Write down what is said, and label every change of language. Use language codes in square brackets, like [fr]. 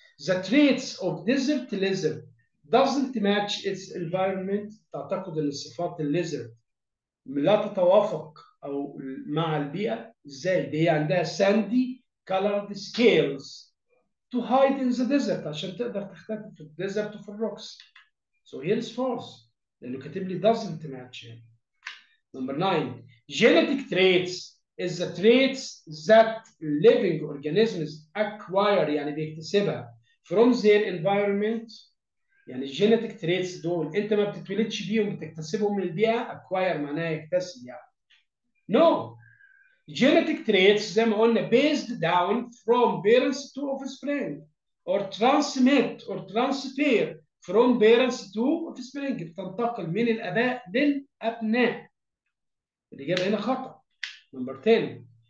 [en] The traits of desert lizard doesn't match its environment. [ar] تعتقد ان صفات الليزرد لا تتوافق او مع البيئه ازاي؟ دي عندها [en] sandy colored scales to hide in the desert [ar] عشان تقدر تختفي في الديزرت وفي الروكس. [en] So here is false [ar] لانه كاتب لي [en] doesn't match. Number nine. Genetic traits is the traits that living organisms acquire [ar] يعني بيكتسبها [en] from their environment. [ar] يعني genetic traits دول انت ما بتتولدش بيهم بتكتسبهم من البيئة. acquire معناها يكتسب يعني. [en] No. Genetic traits [ar] زي ما قلنا [en] based down from parents to offspring or transmit or transfer from parents to offspring [ar] بتنتقل من الآباء للأبناء. الإجابة هنا خطأ. [en] Number 10.